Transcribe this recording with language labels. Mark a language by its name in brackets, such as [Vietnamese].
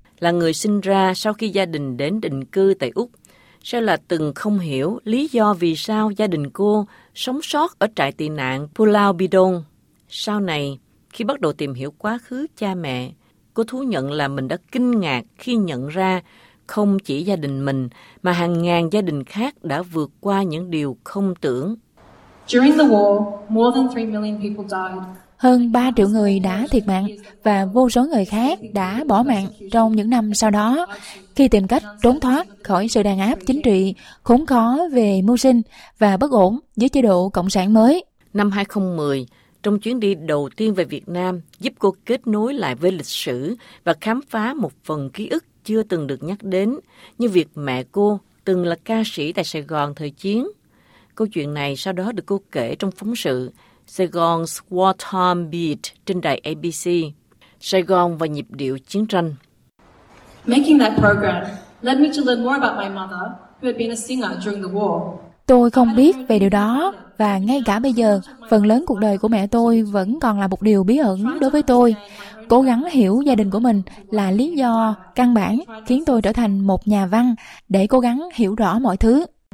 [Vietnamese] Là người sinh ra sau khi gia đình đến định cư tại Úc, Sheila từng không hiểu lý do vì sao gia đình cô sống sót ở trại tị nạn Pulau Bidong. Sau này, khi bắt đầu tìm hiểu quá khứ cha mẹ, cô thú nhận là mình đã kinh ngạc khi nhận ra không chỉ gia đình mình mà hàng ngàn gia đình khác đã vượt qua những điều không tưởng. [English] During the war, more than 3 million people died. [Vietnamese] Hơn 3 triệu người đã thiệt mạng và vô số người khác đã bỏ mạng trong những năm sau đó khi tìm cách trốn thoát khỏi sự đàn áp chính trị, khốn khó về mưu sinh và bất ổn dưới chế độ cộng sản mới. Năm 2010, trong chuyến đi đầu tiên về Việt Nam, giúp cô kết nối lại với lịch sử và khám phá một phần ký ức chưa từng được nhắc đến, như việc mẹ cô từng là ca sĩ tại Sài Gòn thời chiến. Câu chuyện này sau đó được cô kể trong phóng sự Sài Gòn's Wartime Beat trên đài ABC, Sài Gòn và nhịp điệu chiến tranh. [English] Making that program led me to learn more about my mother, who had been a singer during the war. [Vietnamese] Tôi không biết về điều đó, và ngay cả bây giờ, phần lớn cuộc đời của mẹ tôi vẫn còn là một điều bí ẩn đối với tôi. Cố gắng hiểu gia đình của mình là lý do căn bản khiến tôi trở thành một nhà văn, để cố gắng hiểu rõ mọi thứ.